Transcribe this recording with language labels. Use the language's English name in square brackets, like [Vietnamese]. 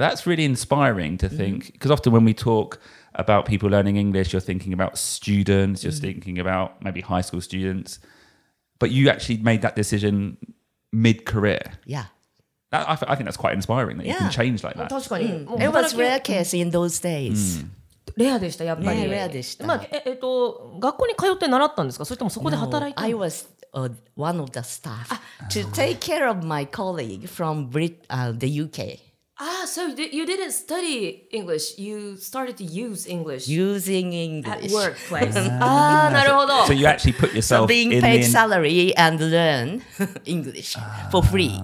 [English] That's really inspiring to think, because often when we talk about people learning English, you're thinking about students, you're thinking about maybe high school students. But you actually made that decision mid-career. Yeah. I think that's quite inspiring that you can change like that. It was a rare case in those days. [Japanese] レアでした、やっぱり。学校に通って習ったんですか?それともそこで働いて? [English] I was one of the staff to take care of my colleague from the UK. Ah, so you didn't study English. You started to use English. Using English. At workplace. [Japanese] なるほど. [English] So you actually put yourself in the... So being paid salary and learn English for free.